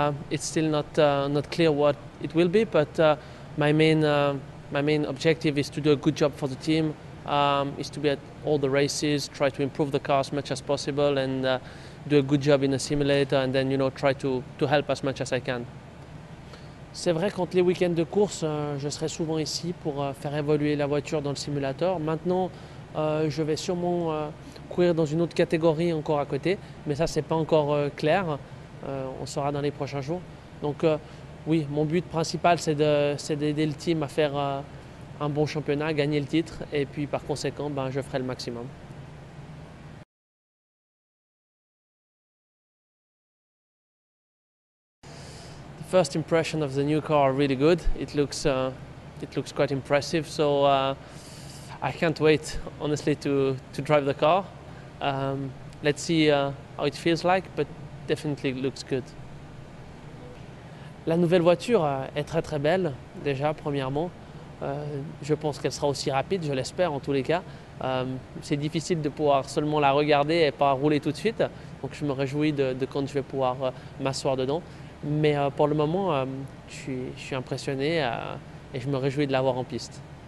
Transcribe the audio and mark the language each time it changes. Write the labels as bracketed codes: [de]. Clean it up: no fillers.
[en] It's still not clear what it will be, but my main objective is to do a good job for the team. Is to be at all the races, try to improve the car as much as possible, and do a good job in a simulator, and then try to help as much as I can. [fr] C'est vrai qu'entre les week-ends de course, je serai souvent ici pour faire évoluer la voiture dans le simulateur. Maintenant, je vais sûrement courir dans une autre catégorie encore à côté, mais ça, c'est pas encore clair. On saura dans les prochains jours. Donc, oui, mon but principal, c'est d'aider le team à faire un bon championnat, gagner le titre, et puis par conséquent, ben, je ferai le maximum. [en] First impression of the new car really good. It looks quite impressive. So I can't wait, honestly, to drive the car. Let's see how it feels like, but definitely looks good. [fr] La nouvelle voiture est très très belle, déjà, premièrement. Je pense qu'elle sera aussi rapide, je l'espère en tous les cas. C'est difficile de pouvoir seulement la regarder et pas rouler tout de suite. Donc je me réjouis de quand je vais pouvoir m'asseoir dedans. Mais pour le moment, je suis impressionné et je me réjouis de l'avoir en piste.